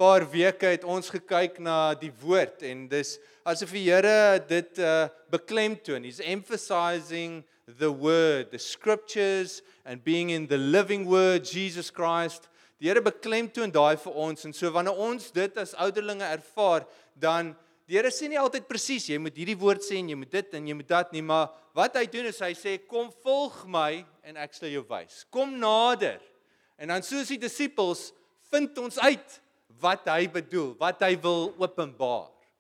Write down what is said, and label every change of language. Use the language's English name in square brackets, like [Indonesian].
[Afrikaans] paar weke het ons gekyk na die woord en dis asof die Here dit beklemtoon. [English] He's emphasizing the word, the scriptures and being in the living word, Jesus Christ. [Afrikaans] Die Here beklemtoon daai vir ons en so wanneer ons dit as ouderlinge ervaar, dan die Here sê nie altyd presies jy moet hierdie woord sê en jy moet dit en jy moet dat nie, maar wat hy doen is hy sê kom volg my en ek sal jou wys. Kom nader. En dan soos die disippels vind ons uit wat hy bedoel, wat hy wil openbaar.